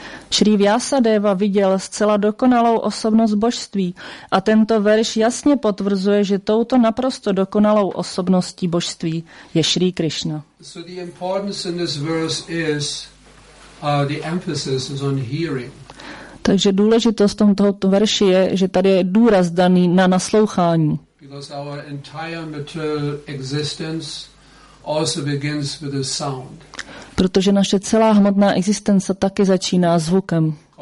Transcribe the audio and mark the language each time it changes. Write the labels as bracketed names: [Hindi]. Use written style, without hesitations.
[Czech] Shri Vyasadeva viděl zcela dokonalou osobnost božství a tento verš jasně potvrzuje, že touto naprosto dokonalou osobností božství je Shri Krishna. [English] So the importance in this verse is the emphasis is on hearing. [Czech] Takže důležitost tohoto verši je, že tady je důraz daný na naslouchání. [English] Because our entire material existence also begins with a sound. [Czech] Protože naše celá hmotná existence taky začíná zvukem.